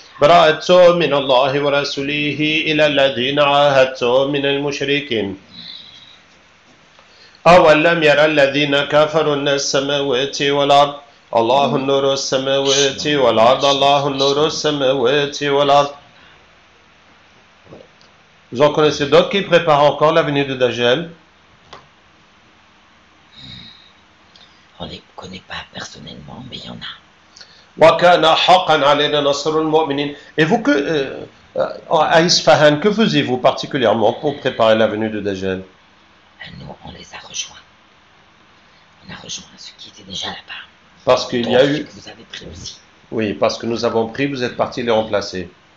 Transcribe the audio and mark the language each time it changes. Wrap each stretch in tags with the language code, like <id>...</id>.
<ar>برأتم من الله ورسوله إلى الذين عاهدتم من المشركين. أولم يرى الذين كفروا أن السماوات والأرض الله النور السماوات والأرض الله النور السماوات والأرض.</ar> <fr>Vous en connaissez d'autres qui préparent encore la venue de Dajjal? On ne les connaît pas personnellement, mais il y en a.</fr> <ar>وكان حقا علينا نصر المؤمنين.</ar> <fr>Et vous, que, à Isfahan, que faisiez-vous particulièrement pour préparer la venue de Dajjal? Nous, on les a rejoints. On a rejoint ceux qui étaient déjà là-bas. Parce qu'il y a eu. Vous avez pris aussi. Oui, parce que nous avons pris, vous êtes partis les remplacer.</fr>